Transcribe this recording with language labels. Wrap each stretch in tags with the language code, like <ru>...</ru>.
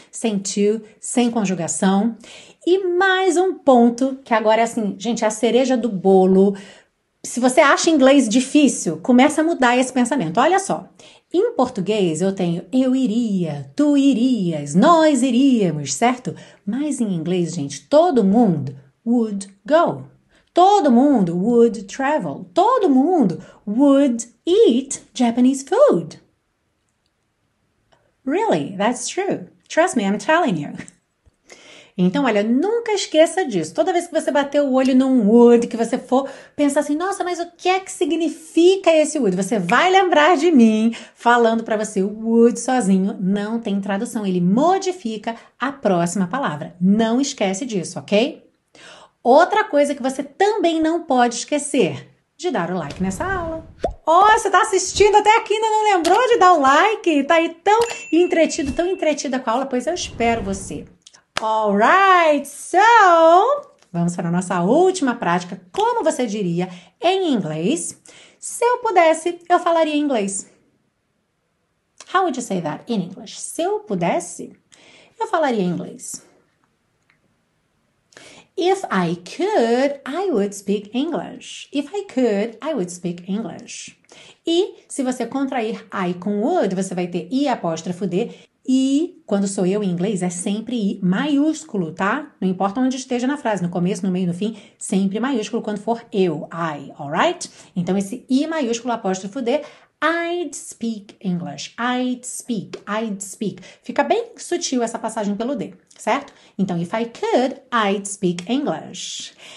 <pt>Sem to, sem conjugação. E mais um ponto, que agora é assim, gente, é a cereja do bolo. Se você acha inglês difícil, começa a mudar esse pensamento. Olha só. Em português, eu tenho eu iria, tu irias, nós iríamos, certo? Mas em inglês, gente, todo mundo</pt> <en>would go.</en> <pt>Todo mundo</pt> <en>would travel. Todo mundo would eat Japanese food. Really, that's true. Trust me, I'm telling you.</en> <pt>Então, olha, nunca esqueça disso. Toda vez que você bater o olho num would, que você for pensar assim, nossa, mas o que é que significa esse would? Você vai lembrar de mim falando pra você, o would sozinho não tem tradução. Ele modifica a próxima palavra. Não esquece disso, ok? Outra coisa que você também não pode esquecer, de dar o like nessa aula. Oh, você tá assistindo até aqui e ainda não lembrou de dar o like? Tá aí tão entretida com a aula? Pois eu espero você.</pt> <en>Alright, so,</en> <pt>vamos para a nossa última prática, como você diria em inglês, se eu pudesse, eu falaria inglês.</pt> <en>How would you say that in English?</en> <pt>Se eu pudesse, eu falaria inglês.</pt> <en>If I could, I would speak English. If I could, I would speak English.</en> <pt>E se você contrair I com would, você vai ter I apóstrofo D. E quando sou eu em inglês, é sempre I maiúsculo, tá? Não importa onde esteja na frase, no começo, no meio, no fim, sempre maiúsculo quando for eu, I, alright? Então, esse I maiúsculo apóstrofo D,</pt> <en>I'd speak English, I'd speak.</en> <pt>Fica bem sutil essa passagem pelo D, certo?</pt> <en>Então, if I could, I'd speak English.</en>